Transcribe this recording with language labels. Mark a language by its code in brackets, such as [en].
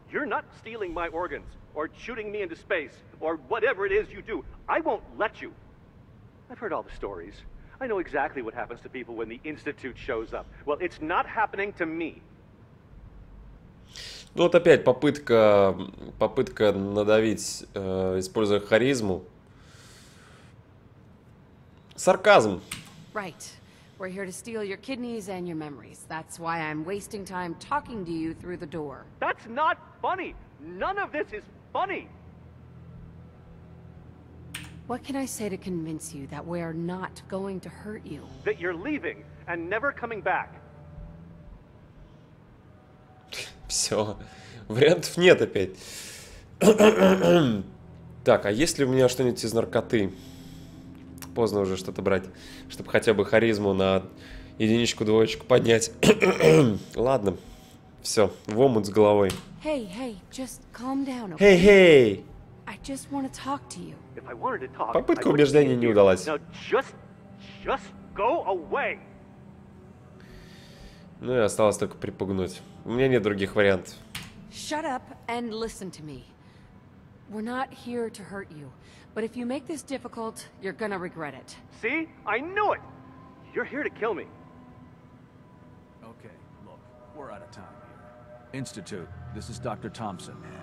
[en] You're not stealing my organs or shooting me into space or whatever it is you do. I won't let you. I've heard all the stories. I know exactly what happens to people when the Institute shows up. Well, it's not happening to me. [ru] Ну вот опять попытка надавить, используя харизму. Сарказм. [en] Right. We're here to steal your kidneys and your memories. That's why I'm wasting time talking to you through the door. That's not funny. None of this is funny. What can I say to convince you that we are not going to hurt you? That you're leaving and never coming back. [ru] Все. Вариантов нет опять. Так, а есть ли у меня что-нибудь из наркоты? Поздно уже что-то брать, чтобы хотя бы харизму на единичку-двоечку поднять. Ладно. Все, в омут с головой. [en] Hey, hey, just calm down, okay? Hey, hey! I just want to talk to you. If I wanted to talk, [ru] попытка убеждения не удалась. [en] Now just go away. [ru] Ну и осталось только припугнуть. У меня нет других вариантов. [en] Shut up and listen to me. We're not here to hurt you, but if you make this difficult, you're gonna regret it. See? I knew it. You're here to kill me. Okay, look, we're out of time here. Institute, this is Dr. Thompson.